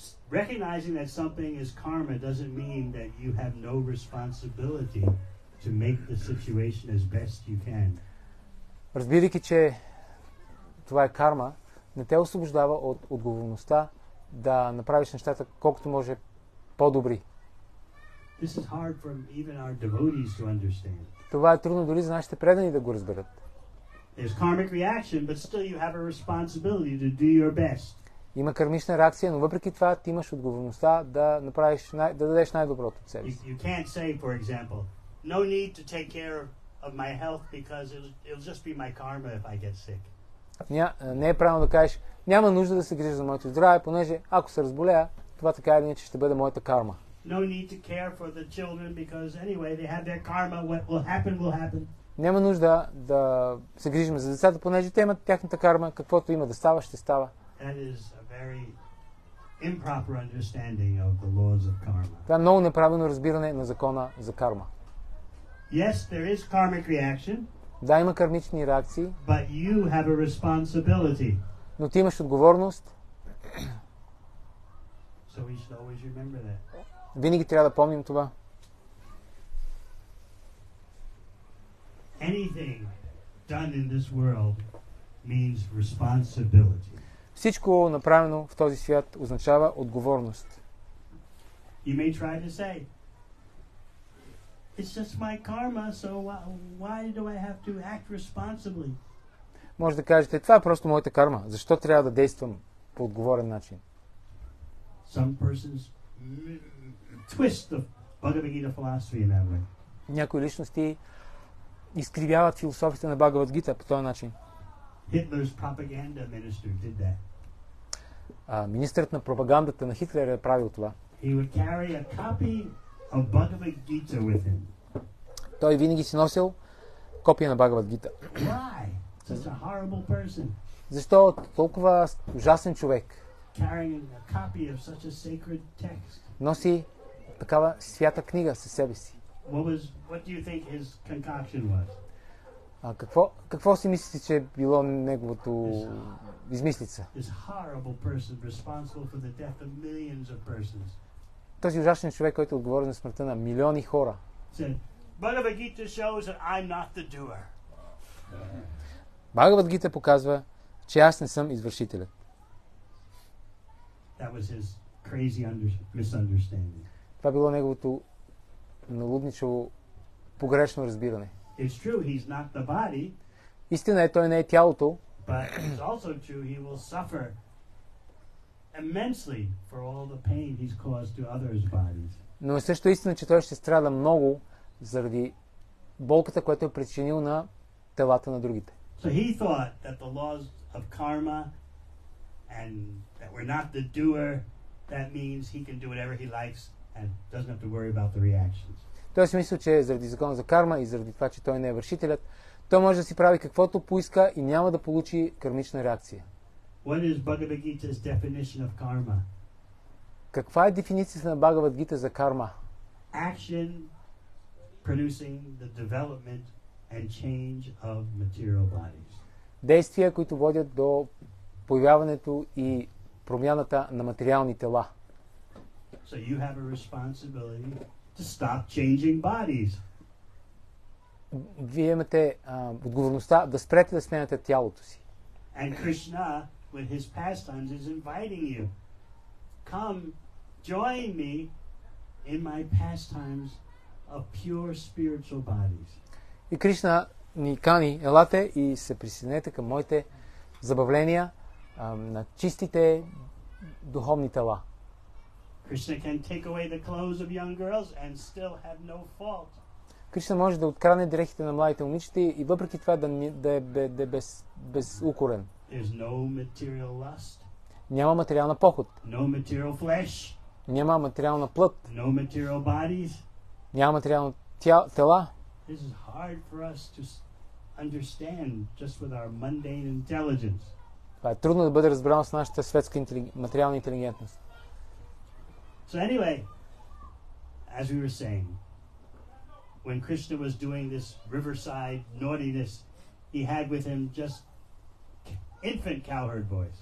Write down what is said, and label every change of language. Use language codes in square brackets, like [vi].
[en] Recognizing that something is karma doesn't mean that you have no responsibility to make the situation as best you can. [bg] Разбирайки, че това е карма, не те освобождава от отговорността да направиш нещата колкото може по-добри. [en] This is hard for even our devotees to understand. [bg] Това е трудно дори за нашите предани да го разберат. [en] There's karmic reaction, but still you have a responsibility to do your best. [bg] Има кармична реакция, но въпреки това ти имаш отговорността да направиш да дадеш най-доброто от себе си. [en] You can't say, for example, no need to take care of my health because it'll just be my karma if I get sick. [bg] Не е правилно да кажеш, няма нужда да се грижа за моето здраве, понеже ако се разболея, това така или иначе ще бъде моята карма. [en] No need to care for the children because anyway they have their karma, what will happen will happen. [bg] Няма нужда да се грижим за децата, понеже те имат тяхната карма, каквото има да става, ще става. [en] That is a very improper understanding of the laws of karma. [bg] Това е много неправилно разбиране на закона за карма. [en] Yes, there is karmic reaction. [bg] Да, има кармични реакции. [en] But you have a responsibility. [bg] Но ти имаш отговорност. [en] So we should always remember that. [bg] Винаги трябва да помним това. [en] Anything done in this world means responsibility. [bg] Всичко направено в този свят означава отговорност. [en] You may try to say, it's just my karma, so why do I have to act responsibly? [bg] Може да кажете, това е просто моята карма. Защо трябва да действам по отговорен начин? [en] Some persons twist the Bhagavad Gita philosophy in that way. [bg] Някои личности изкривяват философията на Бхагавад Гита по този начин. [en] Hitler's propaganda minister did that. [bg] Министърът на пропагандата на Хитлер е правил това. [en] He would carry a copy of Bhagavad Gita with him. [bg] Той винаги си носил копия на Бхагавад Гита. [en] Why? Such a horrible person. [bg] Защо толкова ужасен човек? [en] Carrying a copy of such a sacred text. [bg] Носи такава свята книга със себе си. [en] What do you think his concoction was? [bg] Какво си мислите, че е било неговото измислица? [en] This horrible person responsible for the death of millions of persons. [bg] Този ужасен човек, който е отговорен за смъртта на милиони хора. [en] Bhagavad Gita shows that I'm not the doer. [bg] Бхагавад Гита показва, че аз не съм извършителят. [en] That was his crazy misunderstanding. [bg] Това било неговото налудничево погрешно разбиране. [en] It's true, he's not the body. [bg] Истина е, той не е тялото. [en] But it's also true, he will suffer immensely for all the pain he's caused to others' bodies. [bg] Но е също истина, че той ще страда много заради болката, която е причинил на телата на другите. [en] So he thought that the laws of karma and that we're not the doer, that means he can do whatever he likes and doesn't have to worry about the reactions. [bg] Той си мисля, че заради закона за карма и заради това, че той не е вършителят, той може да си прави каквото поиска и няма да получи кармична реакция. [en] What is Bhagavad Gita's definition of karma? [bg] Каква е дефиницията на Бхагавад Гита за карма? [en] Action producing the development and change of material bodies. [bg] Действия, които водят до появяването и промяната на материални тела. [en] So you have a responsibility to stop changing bodies. [bg] Вие имате отговорността да спрете да сменяте тялото си. [en] And Krishna with his pastimes is inviting you. Come join me in my pastimes of pure spiritual bodies. [bg] И Кришна ни кани, елате и се присъединете към моите забавления на чистите духовни тела. [en] Krishna can take away the clothes of young girls and still have no fault. [bg] Кришна може да открадне дрехите на младите момичета и въпреки това да е без укорен. [en] There's no material lust. [bg] Няма материална поход. [en] No material flesh. [bg] Няма материална плът. [en] No material bodies. [bg] Няма материални тела. [en] This is hard for us to understand just with our mundane intelligence. [bg] Това е трудно да бъде разбрано с нашата светска материална интелигентност. [en] So anyway, as we were saying, when Krishna was doing this riverside naughtiness, he had with him just infant cowherd boys.